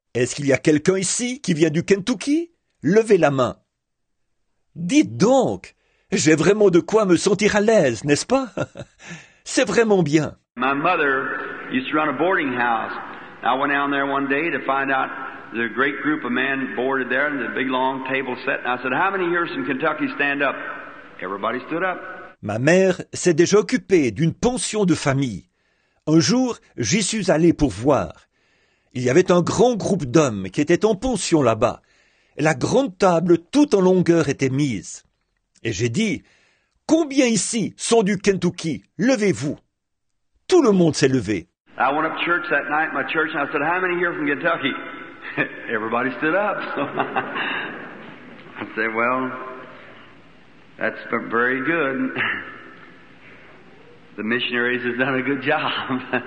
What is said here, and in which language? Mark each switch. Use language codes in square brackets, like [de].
[fr] Est-ce qu'il y a quelqu'un ici qui vient du Kentucky? Levez la main. Dites donc, j'ai vraiment de quoi me sentir à l'aise, n'est-ce pas? C'est vraiment bien. [en] My mother used to run a boarding house. I went down there one day to find out. There's a great group of men boarded there, and the big long table set. And I said, "How many here from Kentucky stand up?" Everybody stood up. [fr] Ma mère s'est déjà occupée d'une pension de famille. Un jour, j'y suis allé pour voir. Il y avait un grand groupe d'hommes qui étaient en pension là-bas. La grande table toute en longueur était mise. Et j'ai dit, "Combien ici sont du Kentucky? Levez-vous." Tout le monde s'est levé. [en] I went up to church that night, my church, and I said, "How many here from Kentucky?" Everybody stood up. So I said, "Well, that's been very good. The missionaries have done a good job.